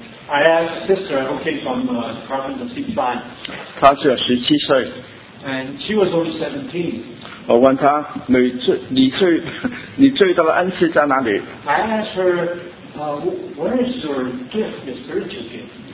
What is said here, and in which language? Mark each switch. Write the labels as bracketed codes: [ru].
[en] I asked sister who came from the province of Sichuan. [zh] 她只有17岁, [en] and she was only 17. [zh] 我问她, 你最大的恩赐在哪里? [en] I asked her, where is your gift, your spiritual gift?